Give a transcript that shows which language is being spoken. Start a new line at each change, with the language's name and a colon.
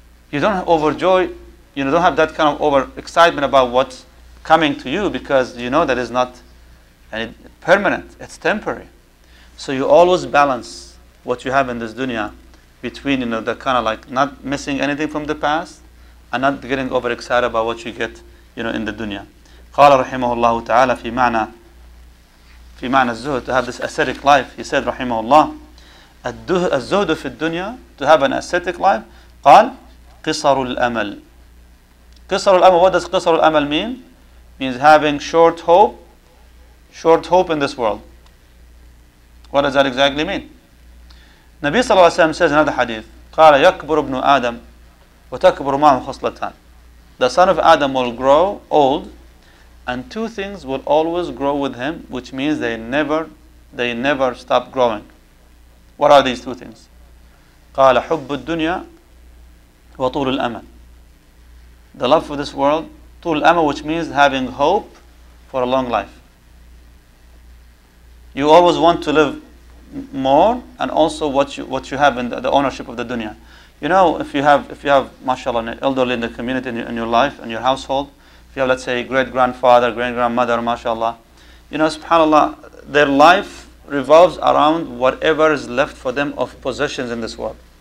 English: You don't overjoy, you know, don't have that kind of over excitement about what's coming to you, because you know that is not permanent. It's temporary. So you always balance what you have in this dunya between, you know, the kind of like not missing anything from the past and not getting over excited about what you get, you know, in the dunya.
Arabic: قال رحمه الله تعالى في معنى الزهد,
English: to have this ascetic life, he said
Arabic: رحمه الله الزهد في الدنيا,
English: to have an ascetic life,
Arabic: قال قصر الأمل, قصر الأمل.
English: What does
Arabic: قصر الأمل
English: mean? Means having short hope in this world. What does that exactly mean?
Arabic: نبي صلى الله عليه وسلم
English: says in another hadith,
Arabic: قال يكبر ابن آدم وتكبر معه خصلتان.
English: The son of Adam will grow old, and two things will always grow with him, which means they never stop growing. What are these two things?
Arabic: قال حب الدنيا وطول الأمل.
English: The love for this world,
Arabic: طول الأمل,
English: which means having hope for a long life. You always want to live more, and also what you have in the ownership of the dunya. You know, if you have mashallah an elderly in the community in your life, in your household, if you have, let's say, great grandfather, great grandmother, mashallah, you know, subhanallah, their life revolves around whatever is left for them of possessions in this world.